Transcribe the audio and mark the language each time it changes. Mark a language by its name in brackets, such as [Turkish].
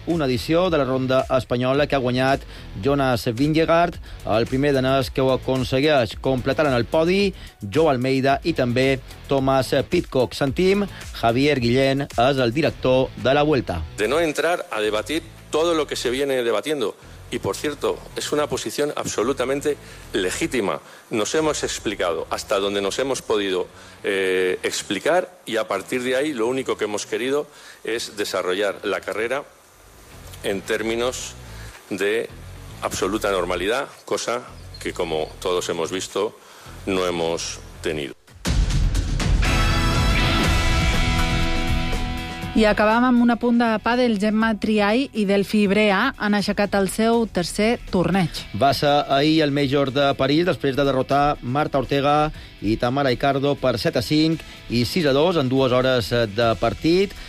[Catalan] Una edició de la ronda espanyola que ha guanyat Jonas Vingegaard, el primer danès que ho aconsegueix. Completaran el podi Joao Almeida i també Thomas Pitcock. Sentim, Javier Guillén és el director de la Vuelta. [Spanish] De no entrar a debatir todo lo que se viene debatiendo. Y por cierto, es una posición absolutamente legítima. Nos hemos explicado hasta donde nos hemos podido explicar y a partir de ahí lo único que hemos querido es desarrollar la carrera en términos de absoluta normalidad, cosa que como todos hemos visto no hemos tenido. [Catalan] I acabam amb una punta de pàdel. Gemma Triay i Delfi Brea han aixecat el seu tercer torneig. Va ser ahir el Major de París després de derrotar Marta Ortega i Tamara Icardo per 7-5 i 6-2 en dues hores de partit.